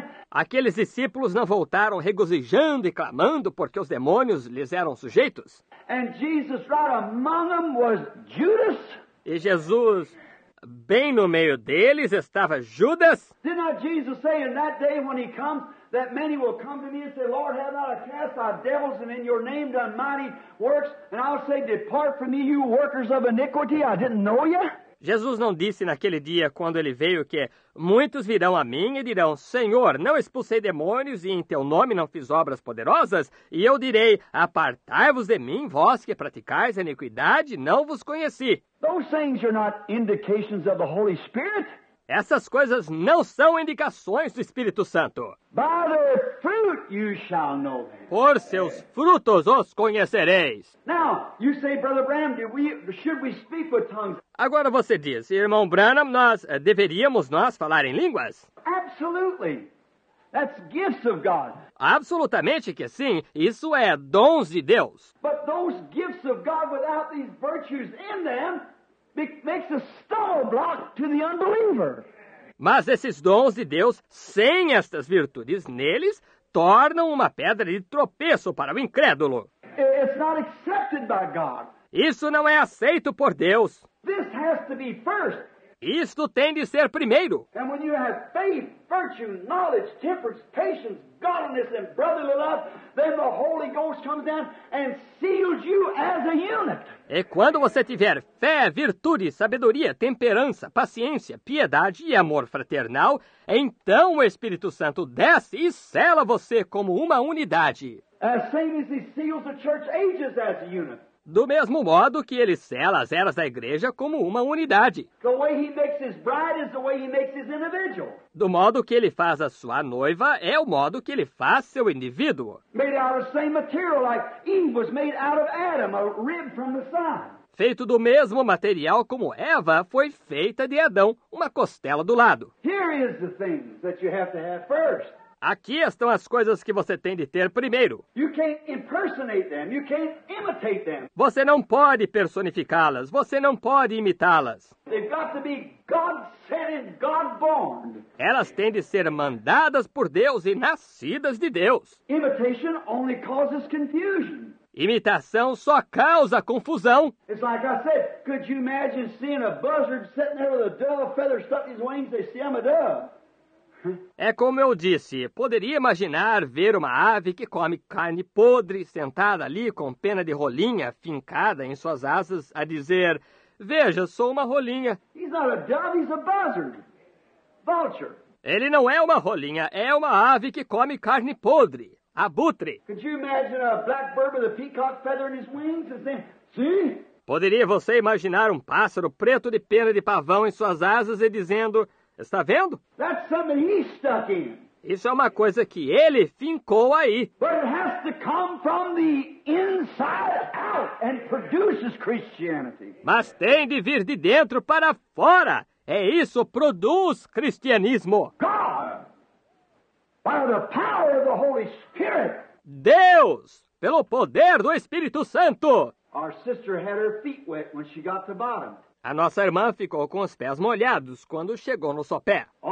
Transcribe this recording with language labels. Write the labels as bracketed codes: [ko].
[pt] Aqueles discípulos não voltaram regozijando e clamando porque os demônios lhes eram sujeitos? [en] And Jesus right among them was Judas. [pt] E Jesus, bem no meio deles, estava Judas. [en] Did not Jesus say in that day when he comes that many will come to me and say, Lord, have not I cast out devils and in your name done mighty works? And I'll say, depart from me, you workers of iniquity, I didn't know you. [pt] Jesus não disse naquele dia quando ele veio que muitos virão a mim e dirão, Senhor, não expulsei demônios e em teu nome não fiz obras poderosas? E eu direi, apartai-vos de mim, vós que praticais a iniquidade, não vos conheci. [en] Those things are not indications of the Holy Spirit. [pt] Essas coisas não são indicações do Espírito Santo. [en] By their fruit you shall know them. [pt] Por seus frutos os conhecereis. [en] Now, you say, Brother Branham, should we speak with tongues? [pt] Agora você diz, irmão Branham, deveríamos nós falar em línguas? [en] Absolutely. That's gifts of God. [pt] Absolutamente que sim. Isso é dons de Deus. [en] But those gifts of God without these virtues in them makes a stumbling block to the unbeliever. [pt] Mas esses dons de Deus, sem estas virtudes neles, tornam uma pedra de tropeço para o incrédulo. [en] It's not accepted by God. [pt] Isso não é aceito por Deus. [en] This has to be first. [pt] Isto tem de ser primeiro. [en] And when you have faith, virtue, knowledge, temperance, patience, godliness, and brotherly love, then the Holy Ghost comes down and seals you as a unit. [pt] E quando você tiver fé, virtude, sabedoria, temperança, paciência, piedade e amor fraternal, então o Espírito Santo desce e sela você como uma unidade. [en] As same as he seals the church ages as a unit. [pt] Do mesmo modo que ele sela as eras da igreja como uma unidade. [en] The way he makes his bride is the way he makes his individual. [pt] Do modo que ele faz a sua noiva é o modo que ele faz seu indivíduo. [en] Made out of the same material like Eve was made out of Adam, a rib from the side. [pt] Feito do mesmo material como Eva foi feita de Adão, uma costela do lado. [en] Here is the thing that you have to have first. [pt] Aqui estão as coisas que você tem de ter primeiro. [en] You can't impersonate them. You can't imitate them. [pt] Você não pode personificá-las. Você não pode imitá-las. [en] They've got to be God sent and God born. [pt] Elas têm de ser mandadas por Deus e nascidas de Deus. [en] Imitation only causes confusion. [pt] Imitação só causa confusão. [en] It's like I said, could you imagine seeing a buzzard sitting there with a dove feather stuck in his wings? They say I'm a dove. [pt] É como eu disse, poderia imaginar ver uma ave que come carne podre sentada ali com pena de rolinha fincada em suas asas a dizer, veja, sou uma rolinha. [en] He's not a dove, he's a buzzard. Vulture. [pt] Ele não é uma rolinha, é uma ave que come carne podre, abutre. [en] Could you imagine a blackbird with a peacock feather in his wings and saying, see? [pt] Poderia você imaginar um pássaro preto de pena de pavão em suas asas e dizendo, está vendo? [en] That's something he stuck in. [pt] Isso é uma coisa que ele fincou aí. [en] But it has to come from the inside out and produces Christianity. [pt] Mas tem de vir de dentro para fora. É isso, produz cristianismo. [en] God, by the power of the Holy Spirit. [pt] Deus, pelo poder do Espírito Santo. [en] Our sister had her feet wet when she got to bottom. [pt] A nossa irmã ficou com os pés molhados quando chegou no sopé.